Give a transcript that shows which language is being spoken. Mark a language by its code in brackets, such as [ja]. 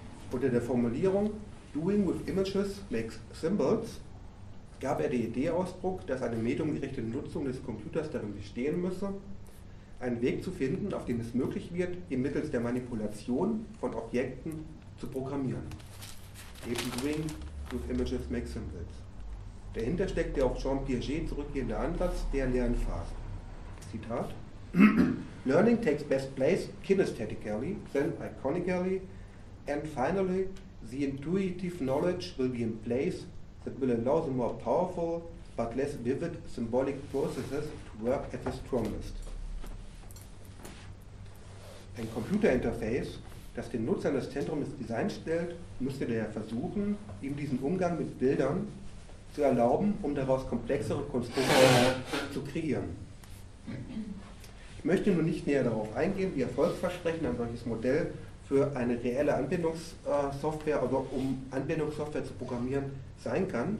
[de] Unter der Formulierung [en] Doing with images makes symbols [de] gab er die Idee Ausdruck, dass eine mediumgerechte Nutzung des Computers darin bestehen müsse, einen Weg zu finden, auf dem es möglich wird, ihn mittels der Manipulation von Objekten zu programmieren. [en] Eben Doing with images makes symbols. [de] Dahinter steckt der auf Jean Piaget zurückgehende Ansatz der Lernphase. [en] Zitat: Learning takes best place kinesthetically, then iconically, and finally the intuitive knowledge will be in place that will allow the more powerful but less vivid symbolic processes to work at the strongest. [de] Ein Computerinterface, das den Nutzer in das Zentrum des Designs stellt, müsste daher versuchen, ihm diesen Umgang mit Bildern zu erlauben, um daraus komplexere Konstruktionen zu kreieren. Ich möchte nun nicht näher darauf eingehen, wie erfolgsversprechend ein solches Modell für eine reelle Anwendungssoftware oder um Anwendungssoftware zu programmieren sein kann.